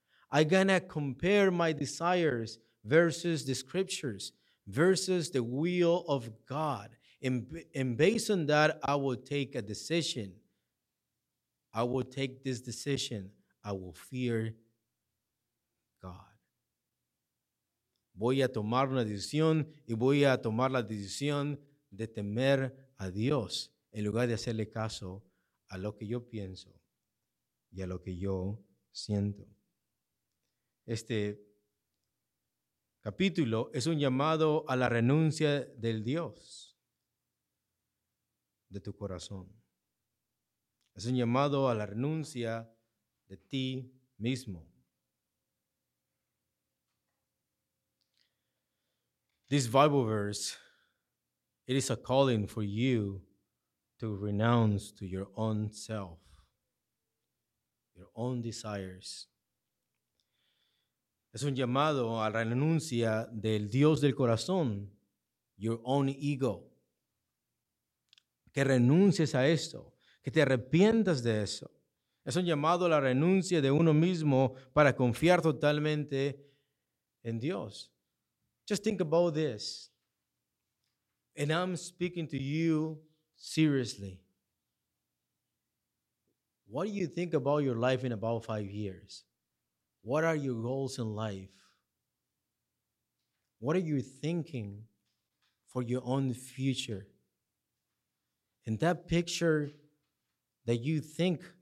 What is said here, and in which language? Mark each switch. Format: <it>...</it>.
<en>I gonna compare my desires versus the scriptures, versus the will of God. And based on that, I will take a decision. I will take this decision. I will fear God.</en> <es>Voy a tomar una decisión y voy a tomar la decisión de temer a Dios en lugar de hacerle caso a lo que yo pienso y a lo que yo siento. Este capítulo es un llamado a la renuncia del Dios de tu corazón. Es un llamado a la renuncia de ti mismo.</es> <en>This Bible verse, it is a calling for you to renounce to your own self, your own desires.</en> <es>Es un llamado a la renuncia del Dios del corazón,</es> <en>your own ego.</en> <es>Que renuncies a esto, que te arrepientas de eso. Es un llamado a la renuncia de uno mismo para confiar totalmente en Dios.</es> <en>Just think about this, and I'm speaking to you seriously. What do you think about your life in about 5 years? What are your goals in life? What are you thinking for your own future? And that picture that you think</en>